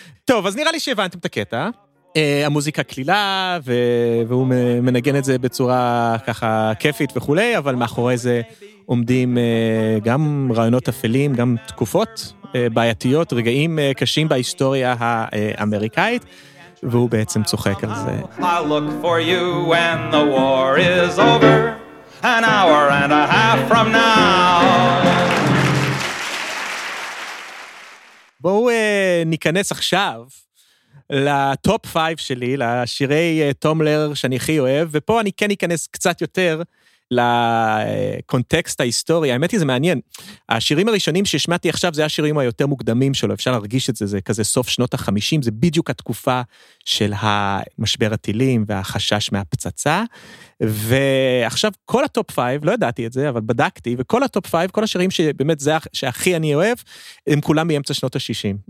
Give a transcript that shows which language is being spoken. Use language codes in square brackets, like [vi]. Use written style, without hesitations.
[he] טוב, אז נראה לי שהבנתם את הקטע, המוזיקה כלילה, והוא מנגן את זה בצורה ככה כיפית וכולי, אבל מאחורי זה עומדים גם רעיונות אפלים, גם תקופות בעייתיות, רגעים קשים בהיסטוריה האמריקאית, והוא בעצם צוחק על זה. [en] I'll look for you when the war is over, an hour and a half from now. [he] בואו ניכנס עכשיו לטופ 5 שלי, לשירי תום לרר שאני הכי אוהב, ופה אני כן אכנס קצת יותר לקונטקסט ההיסטורי. האמת היא זה מעניין, השירים הראשונים ששמעתי עכשיו, זה השירים היותר מוקדמים שלו, אפשר להרגיש את זה, זה כזה סוף שנות ה-50, זה בדיוק התקופה של המשבר הטילים והחשש מהפצצה, ועכשיו כל הטופ 5, לא ידעתי את זה, אבל בדקתי, וכל הטופ 5, כל השירים שבאמת זה שהכי אני אוהב, הם כולם באמצע שנות ה-60.